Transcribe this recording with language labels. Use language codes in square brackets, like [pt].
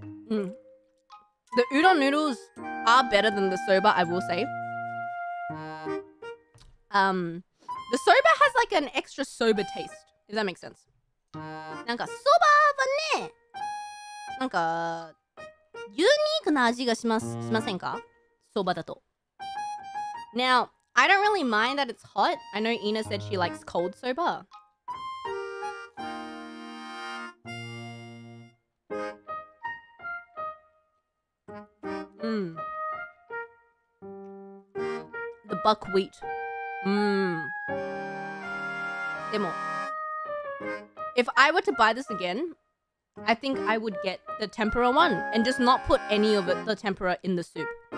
[en] Mmm. The udon noodles are better than the soba, I will say. The soba has like an extra soba taste, if that makes sense. [ja] なんかそばはねなんかユニークな味がしませんかそばだと [en] Now, I don't really mind that it's hot. I know Ina said she likes cold soba. Mmm. The buckwheat. Mmm. でもIf I were to buy this again, I think I would get the tempura one and just not put any of it, the tempura in the soup.